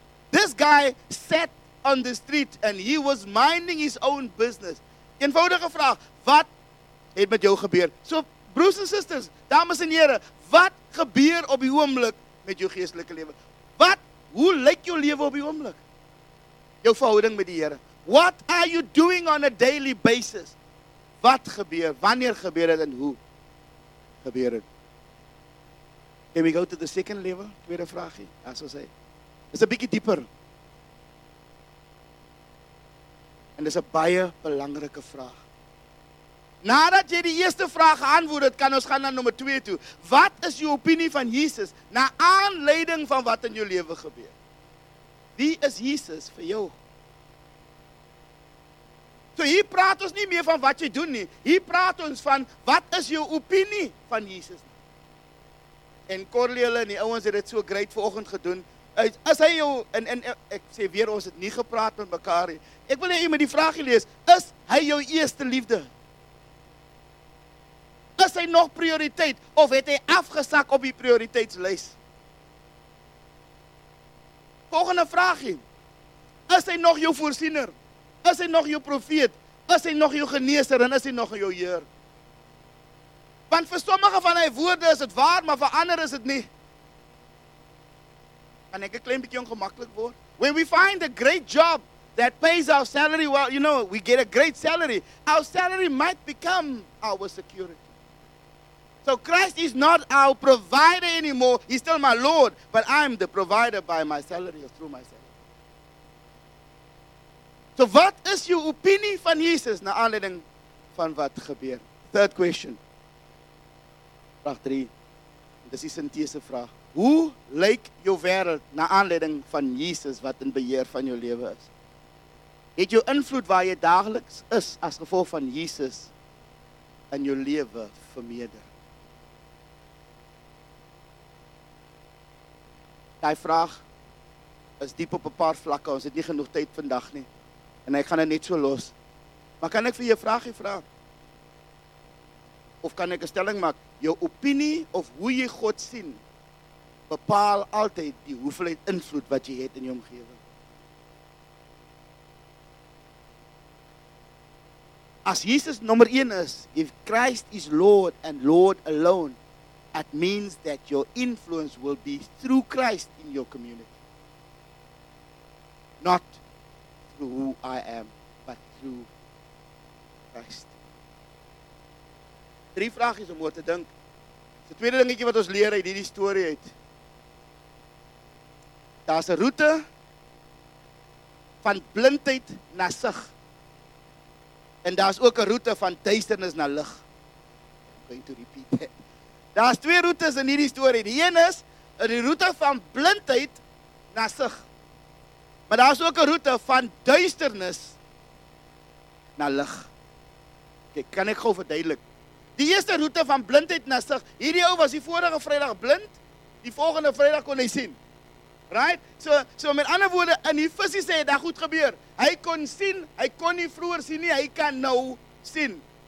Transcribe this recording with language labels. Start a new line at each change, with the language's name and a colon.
English: This guy sat on the street and he was minding his own business.
Afrikaans: Eenvoudige vraag, wat het met jou gebeur? So, broers en sisters, dames en heren, wat gebeur op die oomblik met jou geestelike lewe? Hoe lyk jou lewe op die oomblik? Jou verhouding met die Here.
English: What are you doing on a daily basis?
Afrikaans: Wat gebeur? Wanneer gebeur het en hoe gebeur het?
English: Can we go to the second level?
Afrikaans: Tweede vraagie, as ons sê. Is 'n bietjie dieper. En dis 'n baie belangrike vraag. Nadat jy die eerste vraag geantwoord het, kan ons gaan na nummer 2 toe. Wat is jou opinie van Jesus na aanleiding van wat in jou lewe gebeur? Wie is Jesus vir jou? So hier praat ons nie meer van wat jy doen nie. Hier praat ons van wat is jou opinie van Jesus? En Corleone en die ouens het dit so great vanoggend gedoen. As hy jou, en ek sê weer, ons het nie gepraat met mekaar nie. Ek wil hê jy moet die vraagie lees. Is hy jou eerste liefde? Is hy nog prioriteit, of het hy afgesak op die prioriteitslys? Volgende vraagie, is hy nog jou voorsiener? Is hy nog jou profeet? Is hy nog jou geneeser? En is hy nog jou Heer? Want vir sommige van hy woorde is het waar, maar vir ander is het nie. Kan ek een klein bietjie ongemakkelijk word?
English: When we find a great job that pays our salary well, you know, we get a great salary. Our salary might become our security. So Christ is not our provider anymore. He's still my Lord, but I'm the provider by my salary or through my salary.
Afrikaans: So wat is jou opinie van Jesus na aanleiding van wat gebeur?
English: Third question.
Afrikaans: Vraag 3. Dis die synthese vraag. Hoe lyk jou wêreld na aanleiding van Jesus wat in beheer van jou lewe is? Het jou invloed waar jy dagelijks is as gevolg van Jesus in jou lewe vermeerder? Die vraag is diep op 'n paar vlakke, ons het nie genoeg tyd vandag nie, en ek gaan dit net so los. Maar kan ek vir jou vraagie vra? Of kan ek 'n stelling maak? Jou opinie of hoe jy God sien, bepaal altyd die hoeveelheid invloed wat jy het in jou omgewing. As Jesus nommer 1 is,
English: if Christ is Lord and Lord alone, that means that your influence will be through Christ in your community. Not through who I am, but through Christ.
Afrikaans: Drie vraagies om oor te dink. Die tweede dingetjie wat ons leer uit hierdie storie uit. Daar is 'n roete van blindheid na sig. En daar is ook 'n roete van duisternis na lig.
English: I'm going to repeat that.
Afrikaans: Daar is twee roetes in hierdie storie. Die een is die roete van blindheid na sig. Maar daar is ook 'n roete van duisternis na lig. Okay, kan ek gou verduidelik? Die eerste roete van blindheid na sig. Hierdie ou was die vorige Vrydag blind. Die volgende Vrydag kon hy sien. Right? So met ander woorde, in die visie sê dit goed gebeur. Hy kon sien, hy kon nie vroeër sien nie, hy kan nou sien.